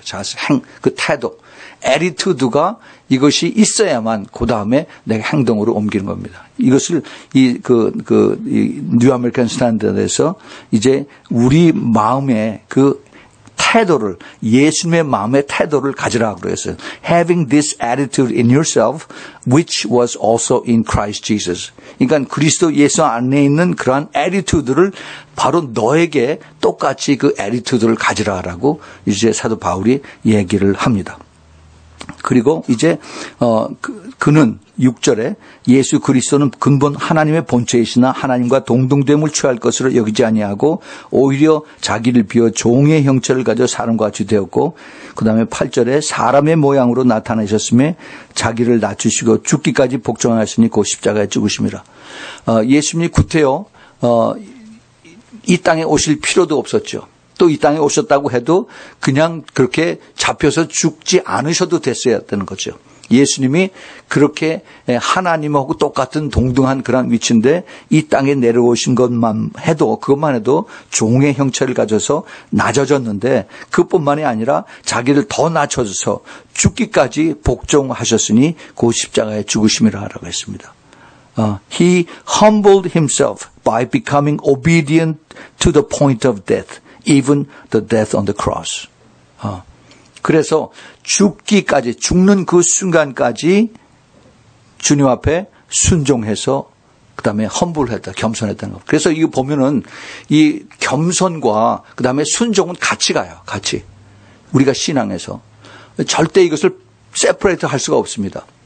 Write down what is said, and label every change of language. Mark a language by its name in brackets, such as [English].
[Korean] 자세, 그 태도. 애티튜드가 이것이 있어야만 그 다음에 내가 행동으로 옮기는 겁니다. 이것을 뉴 아메리칸 스탠다드에서 이제 우리 마음의 그 태도를 예수님의 마음의 태도를 가지라 그랬어요. [English] Having this attitude in yourself, which was also in Christ Jesus. [Korean] 그러니까 그리스도 예수 안에 있는 그러한 attitude를 바로 너에게 똑같이 그 attitude를 가지라라고 이제 사도 바울이 얘기를 합니다. 그리고 이제 그는 6절에 예수 그리스도는 근본 하나님의 본체이시나 하나님과 동등됨을 취할 것으로 여기지 아니하고 오히려 자기를 비워 종의 형체를 가져 사람과 같이 되었고 그 다음에 8절에 사람의 모양으로 나타나셨으며 자기를 낮추시고 죽기까지 복종하셨으니 곧 십자가에 죽으심이라. 예수님이 구태여 이 땅에 오실 필요도 없었죠. 또 이 땅에 오셨다고 해도 그냥 그렇게 잡혀서 죽지 않으셔도 됐어야 되는 거죠. 예수님이 그렇게 하나님하고 똑같은 동등한 그런 위치인데 이 땅에 내려오신 것만 해도 그것만 해도 종의 형체를 가져서 낮아졌는데 그뿐만이 아니라 자기를 더 낮춰서 죽기까지 복종하셨으니 그 십자가에 죽으심이라 하라고 했습니다. [English] He humbled himself by becoming obedient to the point of death. Even the death on the cross. [Korean] 그래서 죽기까지 죽는 그 순간까지 주님 앞에 순종해서 그 다음에 험불했다 겸손했다는 것. 그래서 이거 보면은 이 겸손과 그 다음에 순종은 같이 가요. 같이 우리가 신앙에서 절대 이것을 세퍼레이트 할 수가 없습니다.